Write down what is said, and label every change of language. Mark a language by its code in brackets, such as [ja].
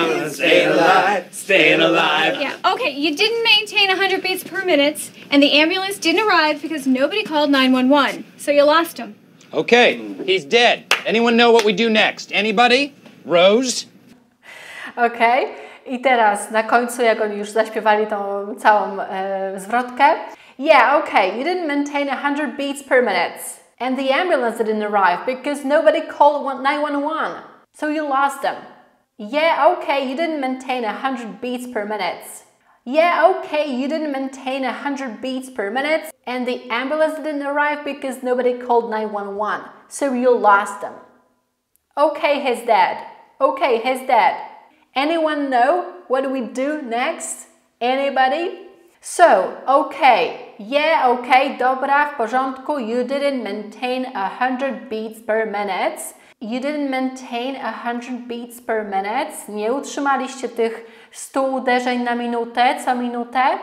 [en] Staying alive, staying alive. Yeah, okay, you didn't maintain 100 beats per minute, and the ambulance didn't arrive because nobody called 911, so you lost him. Okay, he's dead. Anyone know what we do next? Anybody? Rose? [pl] Okay, i teraz na końcu, jak oni już zaśpiewali tą całą zwrotkę. [en] Yeah, okay, you didn't maintain 100 beats per minute, and the ambulance didn't arrive because nobody called 911. So you lost them. Yeah, okay, you didn't maintain 100 beats per minute. Yeah, okay, you didn't maintain 100 beats per minute. And the ambulance didn't arrive because nobody called 911. So you lost them. Okay, he's dead. Okay, he's dead. Anyone know what we do next? Anybody? So, okay. [pl] Yeah, okay, dobra, w porządku. [en] You didn't maintain 100 beats per minute. You didn't maintain 100 beats per minute. [pl] Nie utrzymaliście tych 100 uderzeń na minutę, co minutę.